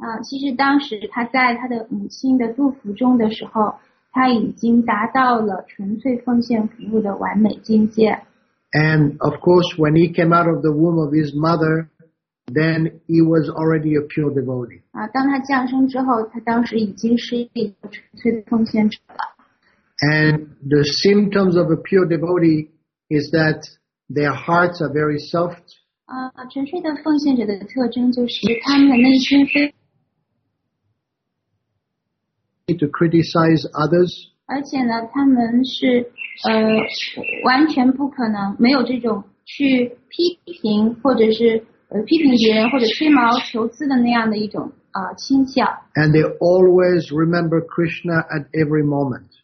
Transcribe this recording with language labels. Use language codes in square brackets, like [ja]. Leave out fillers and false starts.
[zh] 其实当时他在他的母亲的肚腹中的时候，他已经达到了纯粹奉献服务的完美境界。 [en] And of course, when he came out of the womb of his mother, then he was already a pure devotee. [zh] 当他降生之后，他当时已经是一个纯粹的奉献者了。 [en] And the symptoms of a pure devotee is that their hearts are very soft. [zh] 纯粹的奉献者的特征就是他们的内心非常 [en] to criticize others. [zh] 而且呢，他们是完全不可能没有这种去批评或者是批评别人或者吹毛求疵的那样的一种倾向。 [en] And they always remember Krishna at every moment.